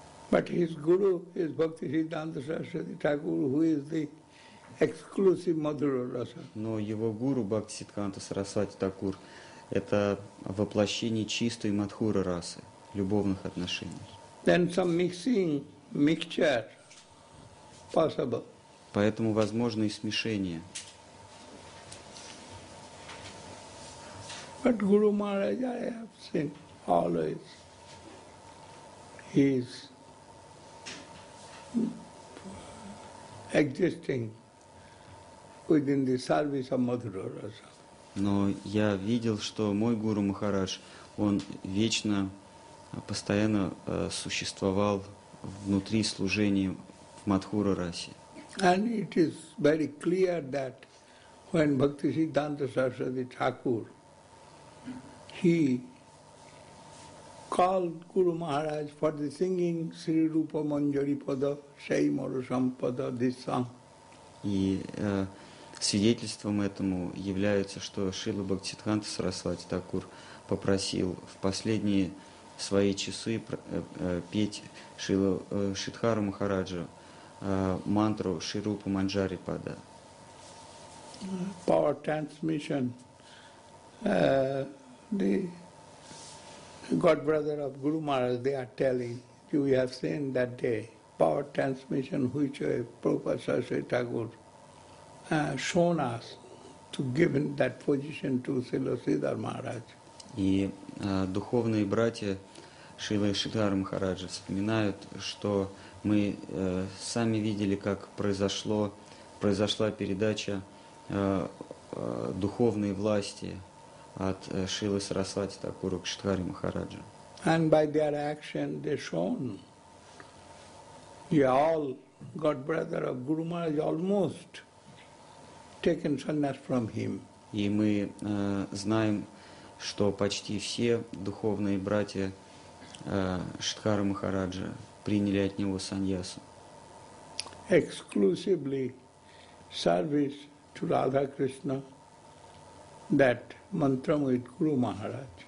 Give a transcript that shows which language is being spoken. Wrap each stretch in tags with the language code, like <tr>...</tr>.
<en>But his guru is Bhaktisiddhanta Saraswati Thakur, who is the exclusive Madhura-rasa.</en> <ru>Но его гуру Бхактисиддханта Сарасвати Такур – это воплощение чистой Мадхура-расы, любовных отношений.</ru> <en>Then some mixing, mixture possible.</en> <ru>Поэтому возможно и смешение.</ru> <en>But Guru Maharaj, I have seen always, he is existing within the service of Madhura-rasa.</en> <ru>Но я видел, что мой Гуру Махарадж, он вечно, постоянно существовал внутри служения в Мадхура-расе.</ru> <en>And it is very clear that when Bhaktisiddhanta Saraswati Thakur, he called Guru Maharaj for the singing Sri Rupa Manjari Pada, Shai Maru Sampada, this song.</en> <ru>И свидетельством этому является, что Шрила Бхактисиддханта Сарасвати Такур попросил в последние свои часы петь Шрила Шридхара Махараджа мантру Шри Рупа Манджари Пада.</ru> <en>Power transmission. The god brother of Guru Maharaj, they are telling, you have seen that day, power transmission which Prabhupada Saraswati Thakur shown us to give that position to Srila Sridhara Maharaj.</en> <ru>И духовные братья Шрилы Шридхары Махараджа вспоминают, что мы сами видели, как произошла передача духовной власти от Шрилы Сарасвати Такуру к Шридхаре Махараджа.</ru> <en>And by their action they shown, you all got brother of Guru Maharaj almost taken sannyas from him.</en> <ru>И мы знаем, что почти все духовные братья Шридхары Махараджа приняли от него саньясу.</ru> <en>Exclusively service to Radha Krishna, that mantra with Guru Maharaj.</en>